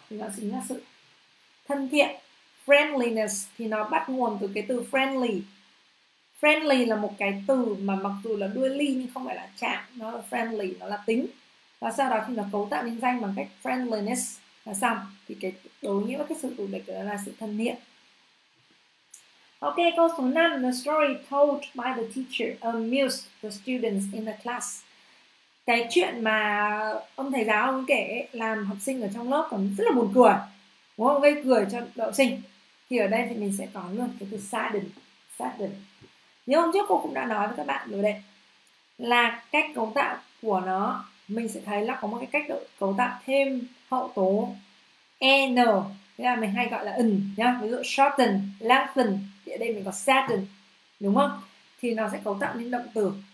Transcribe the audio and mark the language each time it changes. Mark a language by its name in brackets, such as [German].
[Vietnamese] Thì nó chính là sự thân thiện. Friendliness thì nó bắt nguồn từ cái từ friendly. Friendly là một cái từ mà mặc dù là đuôi ly nhưng không phải là chạm. Nó là friendly, nó là tính. Và sau đó thì nó cấu tạo nên danh bằng cách friendliness là xong. Thì cái đối nghĩa với cái sự thù địch đó là sự thân thiện. Ok, câu số 5. [English] The story told by the teacher amused the students in the class. [Vietnamese] Cái chuyện mà ông thầy giáo ông kể làm học sinh ở trong lớp còn rất là buồn cười, đúng không? Gây cười cho học sinh. Thì ở đây thì mình sẽ có luôn cái từ sadden. Sadden. Như hôm trước cô cũng đã nói với các bạn rồi đấy, là cách cấu tạo của nó mình sẽ thấy là có một cái cách cấu tạo thêm hậu tố en, thế là mình hay gọi là ừ nhá, ví dụ shorten, lengthen, thì ở đây mình có sadden đúng không, thì nó sẽ cấu tạo nên động từ